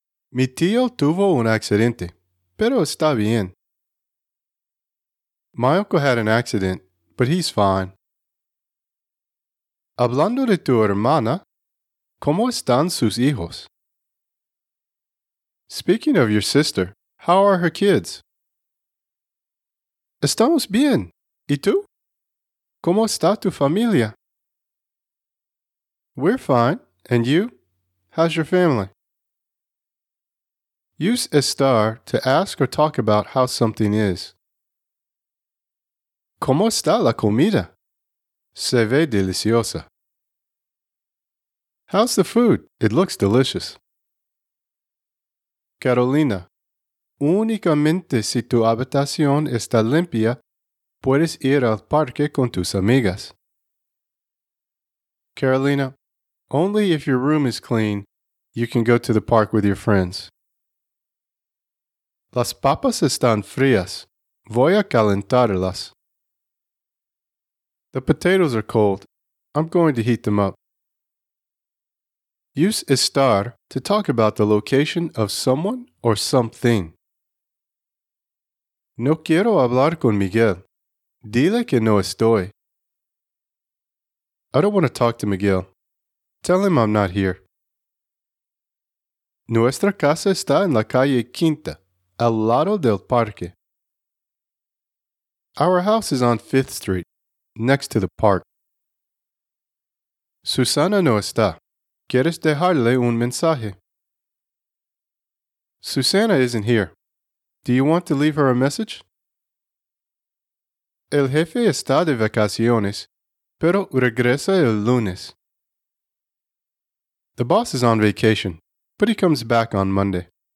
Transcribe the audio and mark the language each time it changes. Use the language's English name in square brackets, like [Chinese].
[Spanish] Mi tío tuvo un accidente, pero está bien. [English] My uncle had an accident, but he's fine. [Spanish] Hablando de tu hermana, ¿cómo están sus hijos? [English] Speaking of your sister, how are her kids? [Spanish] Estamos bien. ¿Y tú? ¿Cómo está tu familia? [English] We're fine. And you? How's your family? Use estar to ask or talk about how something is. [Spanish] ¿Cómo está la comida? Se ve deliciosa. [English] How's the food? It looks delicious. [Spanish] Carolina, únicamente si tu habitación está limpia, puedes ir al parque con tus amigas. [English] Carolina, only if your room is clean, you can go to the park with your friends. [Spanish] Las papas están frías. Voy a calentarlas. [English] The potatoes are cold. I'm going to heat them up. Use estar to talk about the location of someone or something. [Spanish] No quiero hablar con Miguel. Dile que no estoy. [English] I don't want to talk to Miguel. Tell him I'm not here. [Spanish] Nuestra casa está en la calle Quinta, al lado del parque. [English] Our house is on 5th Street, next to the park. [Spanish] Susana no está. ¿Quieres dejarle un mensaje? [English] Susana isn't here. Do you want to leave her a message? [Spanish] El jefe está de vacaciones, pero regresa el lunes. [English] The boss is on vacation, but he comes back on Monday.